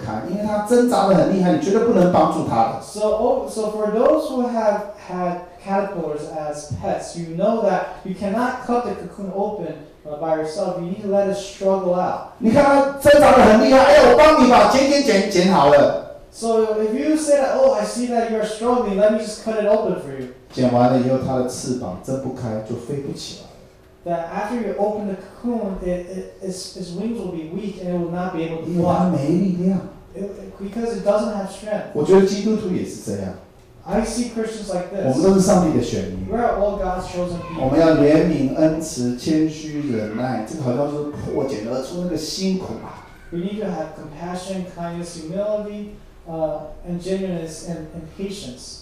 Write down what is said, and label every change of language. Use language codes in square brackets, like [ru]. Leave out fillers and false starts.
[zh] 如果养过这个猫猫虫变蝴蝶的知道，这里绝对不可以帮它用剪刀帮它剪开，因为它挣扎的很厉害，你绝对不能帮助它的。 [en] So for those who have had caterpillars as pets, you know that you cannot cut the cocoon open by yourself. You need to let it struggle out. [zh] 你看它挣扎的很厉害，哎，我帮你把剪好了。 [en] So if you say that, oh, I see that you're struggling, let me just cut it open for you. [zh] 剪完了以后，它的翅膀睁不开，就飞不起来。 [en] That after you open the cocoon, its wings will be weak and it will not be able to fly. [zh] 因为它没力量。 [en] Because it doesn't have strength. [zh] 我觉得基督徒也是这样。 [en] I see Christians like this. [zh] 我们都是上帝的选民。 [en] We are all God's chosen people. [zh] 我们要怜悯、恩慈、谦虚、忍耐，这个好像是破茧而出那个辛苦啊。 [en] We need to have compassion, kindness, humility, and genuineness and patience.